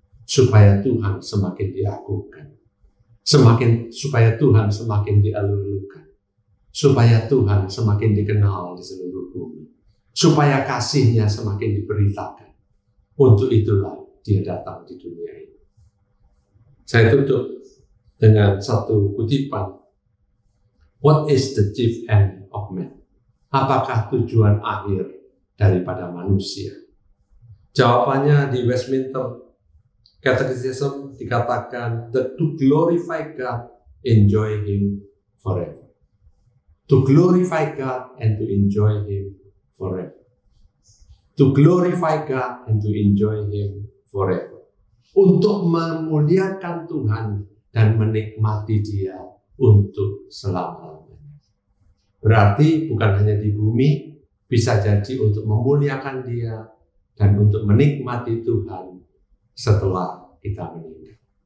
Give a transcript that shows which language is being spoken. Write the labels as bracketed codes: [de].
[id] Supaya Tuhan semakin diagungkan. Semakin supaya Tuhan semakin dielu-elukan. Supaya Tuhan semakin dikenal di seluruh bumi. Supaya kasih-Nya semakin diberitakan. Untuk itulah Dia datang di dunia ini. Saya tutup dengan satu kutipan. [en] What is the chief end of man? [id] Apakah tujuan akhir daripada manusia? Jawabannya di Westminster Catechism dikatakan [en] to glorify God, enjoy Him forever. To glorify God and to enjoy Him forever. To glorify God and to enjoy Him forever. [id] Untuk memuliakan Tuhan dan menikmati Dia untuk selama-lamanya. Berarti bukan hanya di bumi, bisa jadi untuk memuliakan Dia dan untuk menikmati Tuhan setelah kita meninggal.